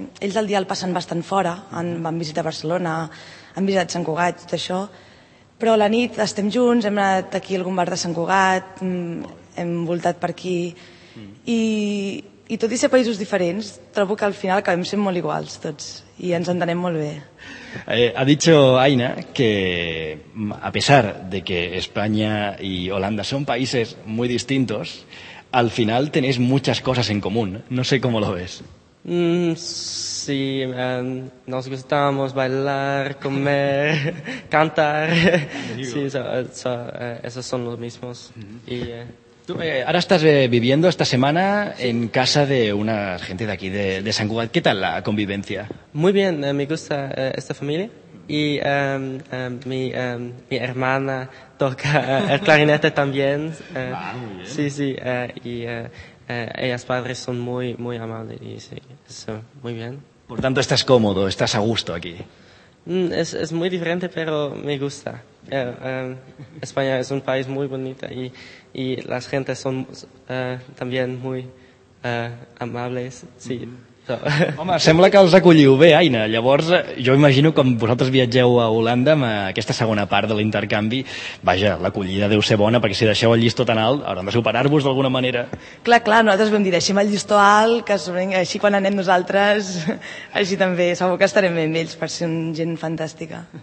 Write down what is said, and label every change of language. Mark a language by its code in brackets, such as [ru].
[ca] Ells el dia el passen bastant fora, van visitar Barcelona, han visitat Sant Cugat, tot això... Però la nit estem junts, hem anat aquí a algun bar de Sant Cugat, hem voltat per aquí, i tot i ser països diferents, trobo que al final acabem sent molt iguals tots, i ens entenem molt bé. [es] Ha dicho Aina que a pesar de que España y Holanda son países muy distintos, al final tenéis muchas cosas en común, no sé cómo lo ves. Sí, nos gustamos bailar, comer, cantar. Sí, esos son los mismos. Uh-huh. Y, ahora estás viviendo esta semana en casa de una gente de aquí, de Sant Cugat. ¿Qué tal la convivencia? Muy bien, me gusta esta familia. Y mi hermana toca el clarinete también. Ah, muy bien. Sí, sí, ellas padres son muy, muy amables y sí, eso, muy bien. Por tanto, estás cómodo, estás a gusto aquí. Es muy diferente, pero me gusta. España es un país muy bonito y las gentes son también muy amables. Sí. Uh-huh. [ca] Home, sembla que els acolliu bé, Aina. Llavors, jo imagino com vosaltres viatgeu a Holanda amb aquesta segona part de l'intercanvi. Vaja, l'acollida deu ser bona, perquè si deixeu el llistó tan alt, haurem de superar-vos d'alguna manera. Clar, clar, nosaltres vam dir, deixem el llistó alt, que així quan anem nosaltres, així també, segur que estarem bé amb ells, per ser gent fantàstica.